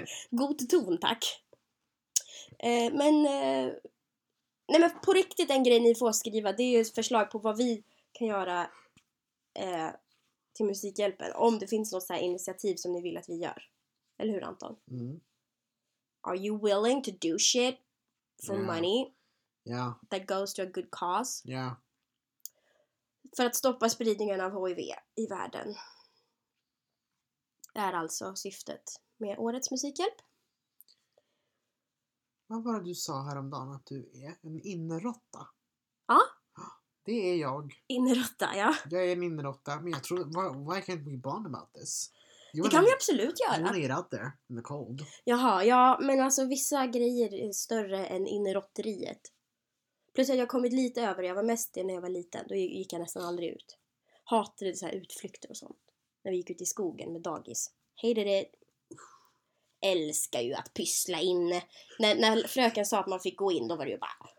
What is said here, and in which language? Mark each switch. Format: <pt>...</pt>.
<sv>God ton, tack. Men... nej, men på riktigt en grej ni får skriva. Det är ju ett förslag på vad vi kan göra till Musikhjälpen. Om det finns något så här initiativ som ni vill att vi gör. Eller hur, Anton? Mm.</sv> <en>Are you willing to do shit for money? Yeah. That goes to a good cause? Yeah.</en> <sv>För att stoppa spridningen av HIV i världen. Det är alltså syftet med årets musikhjälp. Vad var det du sa häromdagen att du är? En inrotta? Ja. Det är jag. Inrotta, ja. Jag är en inrotta, men jag tror...</sv> <en>Why can't we bond about this?</en> <sv>You det kan vi absolut göra.</sv> <en>You're not out there in the cold.</en> <sv>Jaha, ja, men alltså vissa grejer är större än inrotteriet. Plus att jag har kommit lite över. Jag var mest det när jag var liten. Då gick jag nästan aldrig ut. Hatade så här utflykter och sånt. När vi gick ut i skogen med dagis. Hej det. Älskar ju att pyssla in. När fröken sa att man fick gå in, då var det ju bara...</sv>